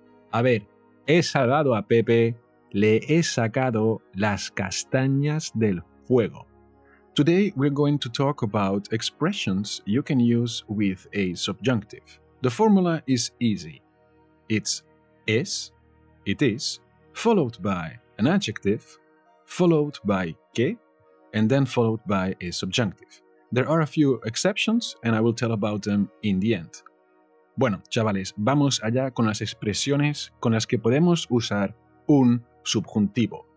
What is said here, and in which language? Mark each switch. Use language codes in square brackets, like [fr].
[es] A ver, he salvado a Pepe, le he sacado las castañas del fuego. [en] Today we're going to talk about expressions you can use with a subjunctive. The formula is easy. It's es, it is, followed by an adjective, followed by que, and then followed by a subjunctive. There are a few exceptions, and I will tell about them in the end. [es] Bueno, chavales, vamos allá con las expresiones con las que podemos usar un subjuntivo.